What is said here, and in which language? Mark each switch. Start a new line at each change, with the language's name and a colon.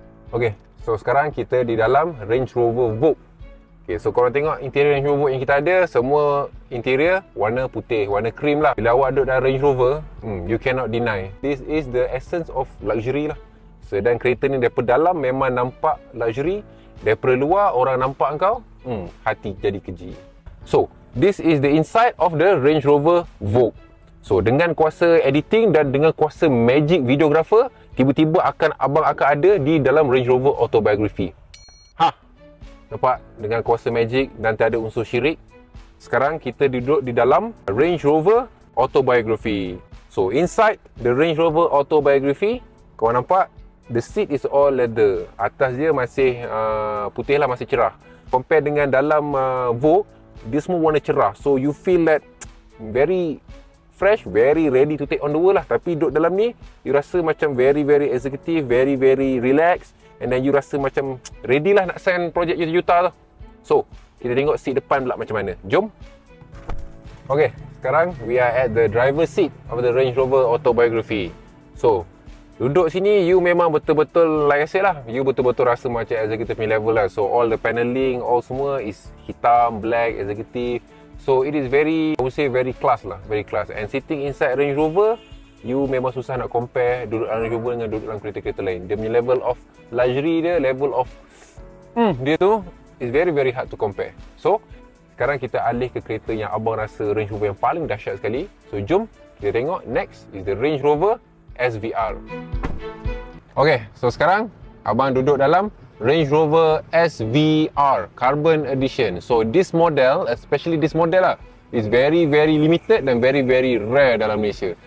Malay: Okay, so sekarang kita di dalam Range Rover Vogue. Okay, so korang tengok interior Range Rover yang kita ada, semua interior warna putih, warna cream lah. Bila awak duduk dalam
English: Range Rover, you cannot deny, this is the essence of luxury lah.
Malay: So, dan kereta ni daripada dalam memang nampak luxury, daripada luar orang nampak kau, hati jadi keji.
English: So, this is the inside of the Range Rover Vogue.
Malay: So, dengan kuasa editing dan dengan kuasa magic videographer, tiba-tiba akan abang akan ada di dalam Range Rover Autobiography. Ha! Nampak? Dengan kuasa magic dan tiada unsur syirik, sekarang kita duduk di dalam Range Rover Autobiography.
English: So, inside the Range Rover Autobiography,
Malay: korang nampak?
English: The seat is all leather.
Malay: Atas dia masih putih lah, masih cerah. Compare dengan dalam Vogue, dia semua warna cerah.
English: So, you feel that very fresh, very ready to take on the world lah.
Malay: Tapi duduk dalam ni, you rasa macam
English: very very executive, very very relaxed, and then you
Malay: rasa macam ready lah nak send projek juta-juta tu. So, kita tengok seat depan pula macam mana. Jom.
English: Okay,
Malay: sekarang
English: we are at the driver seat of the Range Rover Autobiography.
Malay: So, duduk sini you memang betul-betul,
English: like I said lah,
Malay: you betul-betul rasa macam executive punya level lah.
English: So all the paneling, all semua is hitam, black, executive. So it is very, I would say very class lah, very class. And sitting inside Range Rover, you
Malay: memang susah nak compare duduk dalam Range Rover dengan duduk dalam kereta-kereta lain. Dia punya
English: level of luxury dia, level of dia tu is very very hard to compare.
Malay: So sekarang kita alih ke kereta yang abang rasa Range Rover yang paling dahsyat sekali.
English: So
Malay: jom kita tengok,
English: next is the Range Rover SVR.
Malay: Okay, so sekarang abang duduk dalam Range Rover SVR Carbon Edition.
English: So this model, especially this model lah, is very very limited dan very very rare
Malay: dalam Malaysia.